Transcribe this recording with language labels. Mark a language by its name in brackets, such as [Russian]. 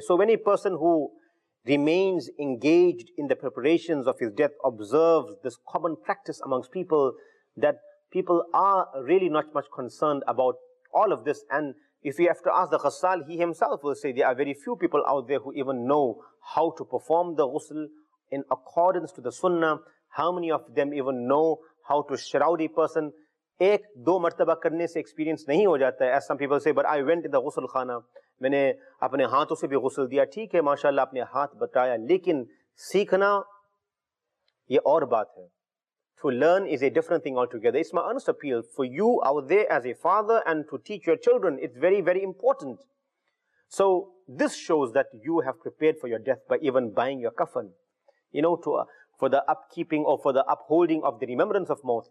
[English] So any person who remains engaged in the preparations of his death observes this common practice amongst people, that people are really not much concerned about all of this. And if you have to ask the ghassal, he himself will say there are very few people out there who even know how to perform the ghusl in accordance to the sunnah. How many of them even know how to shroud a person. [Urdu] ایک دو مرتبہ کرنے سے experience نہیں ہو جاتا ہے. [English] As some people say, but I went in the [Urdu] غسل خانہ, میں نے اپنے ہاتھوں سے بھی غسل دیا. ٹھیک ہے, ماشاء اللہ آپ نے ہاتھ بتایا, لیکن سیکھنا یہ اور بات ہے. [English] To learn is a different thing altogether. It's my honest appeal for you out there as a father and to teach your children. It's very, very important. So this shows that you have prepared for your death by even buying your kafan. You know, for the upkeeping or for the upholding of the remembrance of mouth.